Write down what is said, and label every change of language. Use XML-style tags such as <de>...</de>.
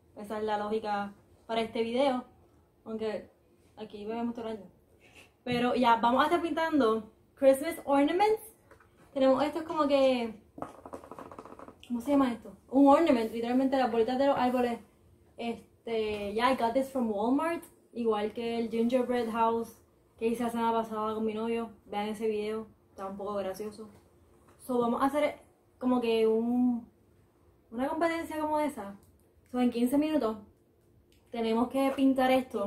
<es>Esa es la lógica para este video. Aunque aquí bebemos todo el año. Pero ya, vamos a estar pintando Christmas ornaments. Tenemos estos como que... ¿Cómo se llama esto? Un ornament, literalmente las bolitas de los árboles.</es> <en>Yeah, I got this from Walmart.</en> <es>Igual que el gingerbread house que hice la semana pasada con mi novio. Vean ese video, está un poco gracioso. So, vamos a hacer... como que una competencia como esa. So, en 15 minutos tenemos que pintar esto.</es>